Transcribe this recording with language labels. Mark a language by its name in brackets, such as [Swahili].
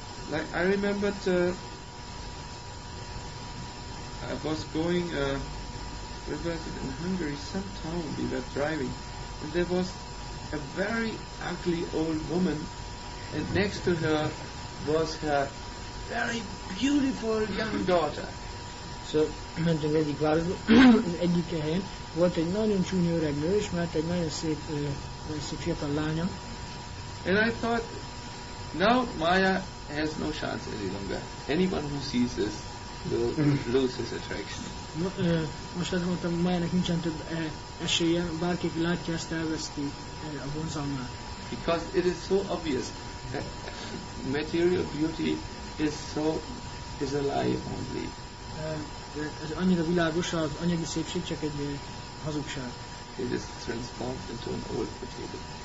[English] Like I remembered, I was going, where was it, in Hungary, some town we were driving, and there was a very ugly old woman, and next to her was her very beautiful young daughter. [Hungarian] So, mentünk egyik városba, egyik helyen volt egy nagyon csúnya öreg nő, és mert egy nagyon szép, szép fiatal lánya. [English] And I thought, now Maya has no chance any longer. Anyone who sees this will lose his attraction. [Hungarian] Most azt mondtam, Maya-nek nincsen több esélye, bárki látja, ezt elveszti a vonzalmát. [English] Because it is so obvious that material beauty is so, is a lie only. [Hungarian] Ez annyira világos, az anyagi szépség csak egy hazugság. [English] It is transformed into an old potato.